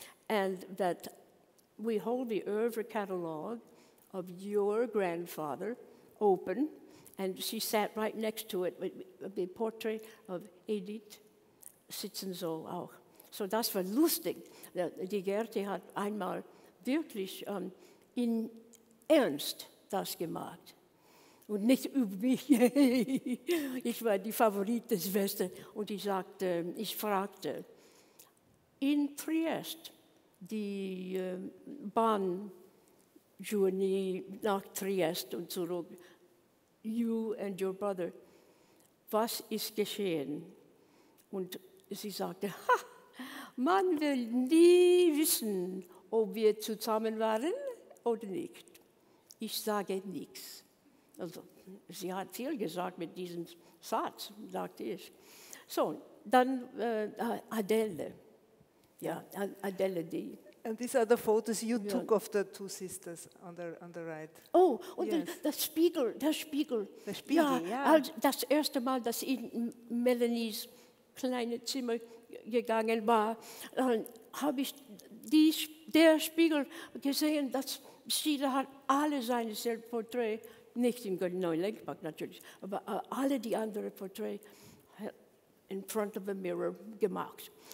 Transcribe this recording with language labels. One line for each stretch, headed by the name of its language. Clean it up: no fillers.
English: And that we hold the oeuvre catalogue of your grandfather open, and she sat right next to it, with the portrait of Edith
German: sitzen so auch. So das war lustig. Die Gerti hat einmal wirklich in Ernst das gemacht. Und nicht über mich. Ich war die Favorite der Schwester. Und ich sagte, ich fragte, in Triest, die Bahn-Journey nach Triest und zurück,
English: you and your brother,
German: was ist geschehen? Und sie sagte, ha, man will nie wissen, ob wir zusammen waren oder nicht. Ich sage nichts. Also, sie hat viel gesagt mit diesem Satz, sagte ich. So, dann Adele. Ja, Adele, die.
English: And these are the photos you took of the two sisters on the right.
German: Oh, und yes. der Spiegel. Der Spiegel, ja. Das erste Mal, dass ich in Melanies kleine Zimmer gegangen war, habe ich der Spiegel gesehen, dass Schiele hat alle seine Selbstporträts, nicht im neuen Lenkpack natürlich, aber alle die anderen Porträts
English: in front of a mirror
German: gemacht.